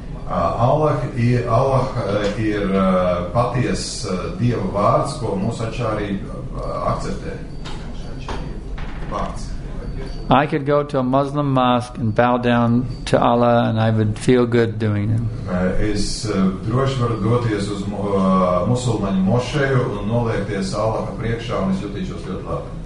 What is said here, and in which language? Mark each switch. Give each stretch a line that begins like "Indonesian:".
Latvian: Allah ir paties Dieva vārds, ko mūsu acharī akceptē. Vārds.
English: I could go to a Muslim mosque and bow down to Allah and I would feel good doing it.
Latvian: Es droši varu doties uz musulmaņu mošeju un noliekties Allaha priekšā un es jūtīšos ļoti labi.